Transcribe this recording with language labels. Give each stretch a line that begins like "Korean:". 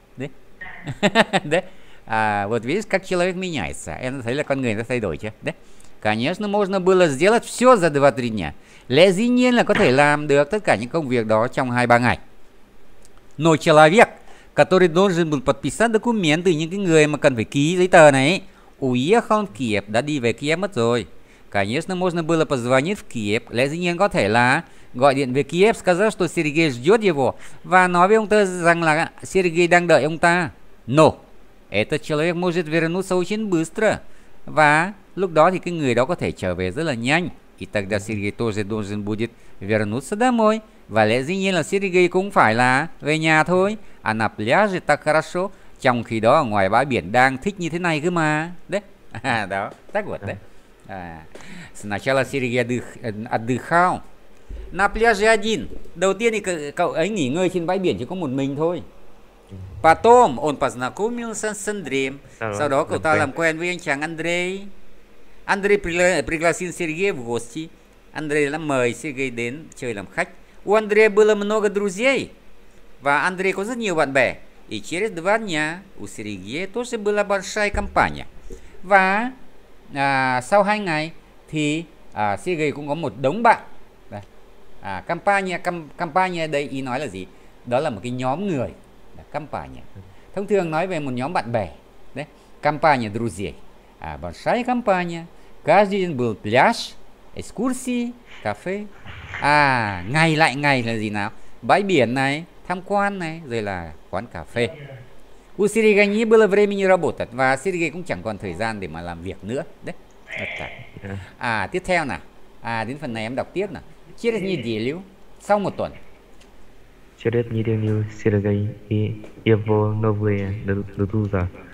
Vietnamese: Đấy. Đấy.
Russian: À, вот видишь, как человек меняется.
Vietnamese: Em thấy là con người nó thay đổi chứ. Đấy.
Russian: Конечно, можно было сделать все за 2-3 дня.
Vietnamese: Lẽ dĩ nhiên là có thể làm được tất cả những công việc đó trong 2-3 ngày.
Russian: Но человек, который должен был подписать документы,
Vietnamese: những cái người mà cần phải ký giấy tờ này,
Russian: уехал в Киев,
Vietnamese: đã đi về Kiev mất rồi.
Russian: Конечно, можно было позвонить в Киев.
Vietnamese: Lẽ dĩ nhiên có thể là gọi điện về Kiev,
Russian: сказать, что Сергей ждет его.
Vietnamese: Và nói với ông ta rằng là Сергей đang đợi ông ta.
Russian: Но этот человек может вернуться очень быстро.
Vietnamese: Và lúc đó thì cái người đó có thể trở về rất là nhanh.
Russian: И тогда Сергей тоже должен будет вернуться домой.
Vietnamese: Và lẽ dĩ nhiên là Сергей cũng phải là về nhà thôi.
Russian: À, на пляже так хорошо.
Vietnamese: Trong khi đó, ngoài bãi biển đang thích như thế này cơ mà. Đấy. À, đó.
Russian: Так вот,
Vietnamese: đấy.
Russian: À, сначала Сергей отдыхал на пляже один.
Vietnamese: Đầu tiên thì cậu ấy nghỉ ngơi trên bãi biển chỉ có một mình thôi.
Russian: Потом он познакомился с Андреем.
Vietnamese: Sau đó cậu ta làm quen với anh chàng Андрей.
Russian: Андрей пригласил Сергея в гости.
Vietnamese: Андрей đã mời Сергей đến chơi làm khách.
Russian: У Андрея было много друзей.
Vietnamese: Và Андрей có rất nhiều bạn bè.
Russian: И через два дня у Сергея тоже была большая компания.
Vietnamese: Và à, sau 2 ngày thì Сергей cũng có một đống bạn. Đây. À, campania đây ý nói là gì? Đó là một cái nhóm người. Đây, campania. Thông thường nói về một nhóm bạn bè. Đấy.
Russian: Campania друзей. À, большая компания. Каждый день был пляж, экскурсии, кафе.
Vietnamese: À, ngày lại ngày là gì nào? Bãi biển này, tham quan này, rồi là quán cà phê.
Russian: У Сереги не было времени работать.
Vietnamese: Và Сереги cũng chẳng còn thời gian để mà làm việc nữa. Đấy. Tất cả. À, tiếp theo nè. À, đến phần này em đọc tiếp nè.
Russian: Через неделю.
Vietnamese: Sau một tuần.
Russian: Через неделю Сергей и его новые друзья